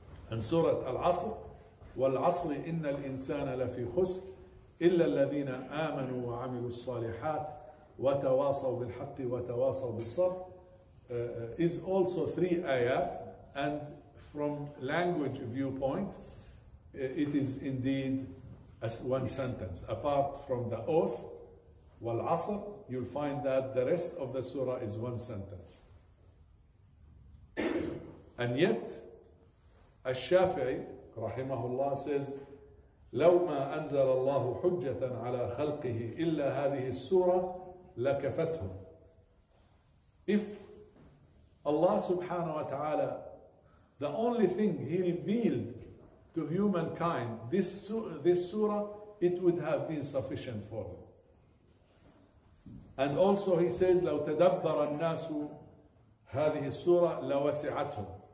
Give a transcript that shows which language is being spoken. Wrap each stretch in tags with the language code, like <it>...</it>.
<en>And Surah Al-Asr,</en> <ar>والعصر إن الإنسان لفي خسر إلا الذين آمنوا وعملوا الصالحات وتواصوا بالحق وتواصوا بالصبر</ar> <en>is also three ayat, and from language viewpoint it is indeed as one sentence. Apart from the oath والعصر, you'll find that the rest of the surah is one sentence. And yet الشافعي rahimahullah, says,</en> <ar>لو ما أنزل الله حجة على خلقه إلا هذه السورة لكفتهم.</ar> <en>If Allah subhanahu wa ta'ala, the only thing He revealed to humankind, this surah, it would have been sufficient for them. And also He says,</en> <ar>لو تدبر الناس هذه السورة لوسعتهم.</ar>